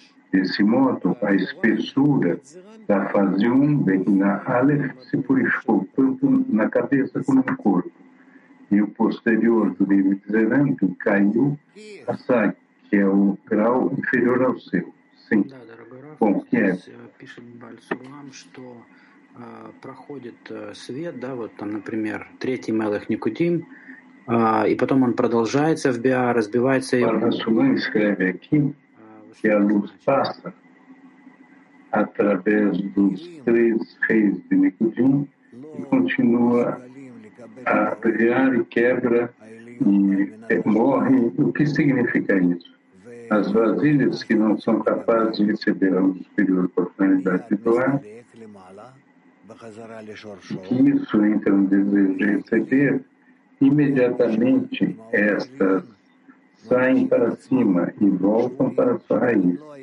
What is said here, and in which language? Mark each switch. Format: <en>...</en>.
<pt>Desse modo, a espessura da fase 1, bem na Aleph, se purificou tanto na cabeça como no corpo, e o posterior do nível de Zerante caiu a Sai, que é o grau inferior ao seu. Sim. Bom, que é?</pt> <ru>Пишет Бааль Сулам, что проходит свет, да, вот там, например, третий Мелех Никудим, и потом он продолжается в Биа, разбивается его.</ru> <pt>Бааль Сулам escreve aqui, que a luz passa através dos três reis de Nikudim e continua a brilhar e quebra e morre. O que significa isso? As vasilhas que não são capazes de receber a superior oportunidade de doar, que isso entra no desejo de receber, imediatamente estas saem para cima e voltam para sua raiz.</pt>